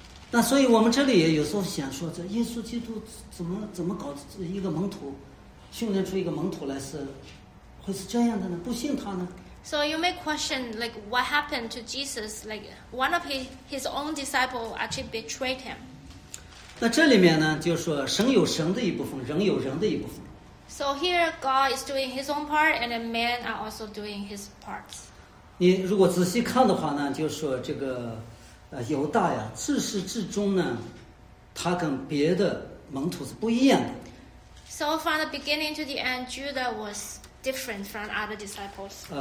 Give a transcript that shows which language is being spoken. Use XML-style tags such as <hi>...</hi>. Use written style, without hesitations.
<zh>那所以我们这里也有时候想说，这耶稣基督怎么搞一个门徒，训练出一个门徒来是，会是这样的呢？不信他呢？</zh> <en>So you may question like what happened to Jesus? Like one of his own disciples actually betrayed him.</en> <zh>那这里面呢，就是说神有神的一部分，人有人的一部分。</zh> <en>So here God is doing His own part, and the men are also doing His parts.</en> <zh>你如果仔细看的话呢，就是说这个，犹大呀，自始至终呢，他跟别的门徒是不一样的。</zh> <en>So from the beginning to the end, Judah was different from other disciples.</en>